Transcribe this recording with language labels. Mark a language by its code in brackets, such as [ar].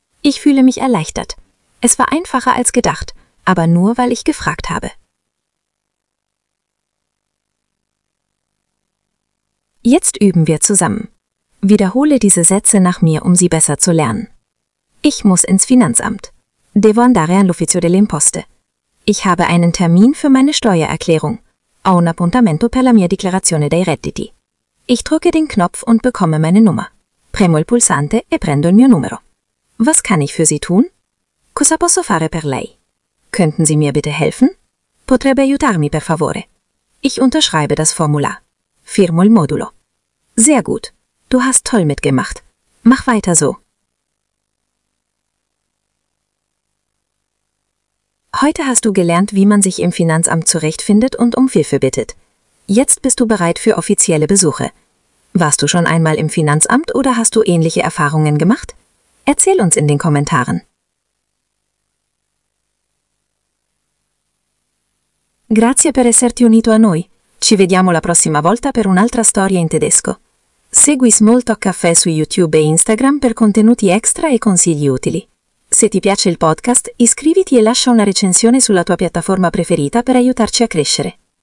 [de] Ich fühle mich erleichtert. Es war einfacher als gedacht, aber nur, weil ich gefragt habe. Jetzt üben wir zusammen. Wiederhole diese Sätze nach mir, um sie besser zu lernen. Ich muss ins Finanzamt. [it] Devo andare all'ufficio delle imposte. [de] Ich habe einen Termin für meine Steuererklärung. [it] Ho un appuntamento per la mia dichiarazione dei redditi. [de] Ich drücke den Knopf und bekomme meine Nummer. [it] Premo il pulsante e prendo il mio numero. [de] Was kann ich für Sie tun? [it] Cosa posso fare per lei? [de] Könnten Sie mir bitte helfen? [it] Potrebbe aiutarmi per favore? [de] Ich unterschreibe das Formular. [it] Firmo il modulo. [de] Sehr gut. Du hast toll mitgemacht. Mach weiter so. Heute hast du gelernt, wie man sich im Finanzamt zurechtfindet und um Hilfe bittet. Jetzt bist du bereit für offizielle Besuche. Warst du schon einmal im Finanzamt oder hast du ähnliche Erfahrungen gemacht? Erzähl uns in den Kommentaren. [it] Grazie per esserti unito a noi. Ci vediamo la prossima volta per un'altra storia in tedesco. Segui Small Talk Caffè su YouTube e Instagram per contenuti extra e consigli utili. Se ti piace il podcast, iscriviti e lascia una recensione sulla tua piattaforma preferita per aiutarci a crescere.